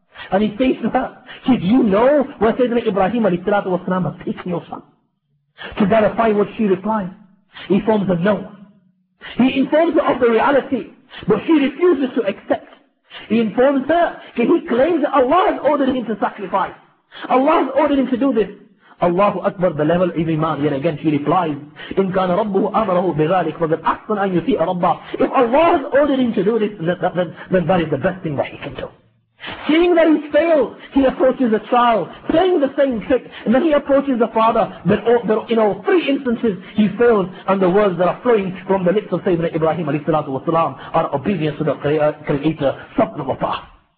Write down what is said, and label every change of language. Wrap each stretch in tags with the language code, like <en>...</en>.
<en>And he says to her, did you know where Sayyidina Ibrahim alayhi salatu wasalam has taken your son? To verify what she replies, he informs her no. He informs her of the reality, but she refuses to accept. He informs her, he claims that Allah has ordered him to sacrifice. Allah has ordered him to do this. Allahu Akbar, the level of iman. Yet again she replies,</en> <ar>إِنْ كَانَ رَبُّهُ أَمَرَهُ بِذَلِكَ فَذَا أَحْسَنَ أَنْ يُثِيءَ رَبَّهُ.</ar> <en>If Allah has ordered him to do this, then that is the best thing that he can do. Seeing that he's failed, he approaches the child, playing the same trick, and then he approaches the father, but in all three instances, he fails, and the words that are flowing from the lips of Sayyidina Ibrahim alayhi salatu wasalam are obedience to the Creator, Subhanallah.</en>